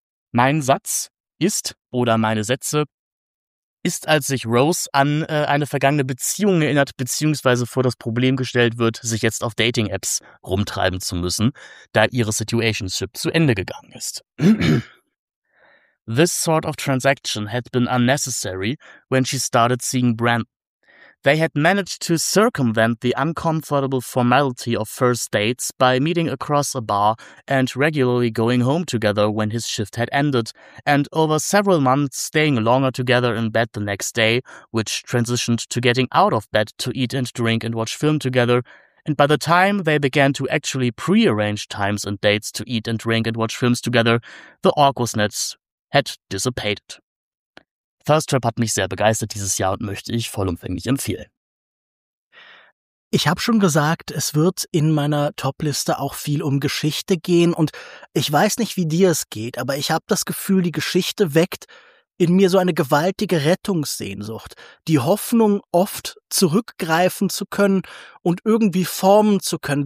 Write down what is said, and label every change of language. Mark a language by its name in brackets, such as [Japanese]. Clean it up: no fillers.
[German] Mein Satz ist, oder meine Sätze, ist, als sich Rose an eine vergangene Beziehung erinnert, beziehungsweise vor das Problem gestellt wird, sich jetzt auf Dating-Apps rumtreiben zu müssen, da ihre Situationship zu Ende gegangen ist. [English] This sort of transaction had been unnecessary when she started seeing Brandon. They had managed to circumvent the uncomfortable formality of first dates by meeting across a bar and regularly going home together when his shift had ended, and over several months staying longer together in bed the next day, which transitioned to getting out of bed to eat and drink and watch film together, and by the time they began to actually pre-arrange times and dates to eat and drink and watch films together, the awkwardness had dissipated. [German] Thirst Trap hat mich sehr begeistert dieses Jahr und möchte ich vollumfänglich empfehlen. Ich habe schon gesagt, es wird in meiner Top-Liste auch viel um Geschichte gehen und ich weiß nicht, wie dir es geht, aber ich habe das Gefühl, die Geschichte weckt in mir so eine gewaltige Rettungssehnsucht, die Hoffnung, oft zurückgreifen zu können und irgendwie formen zu können.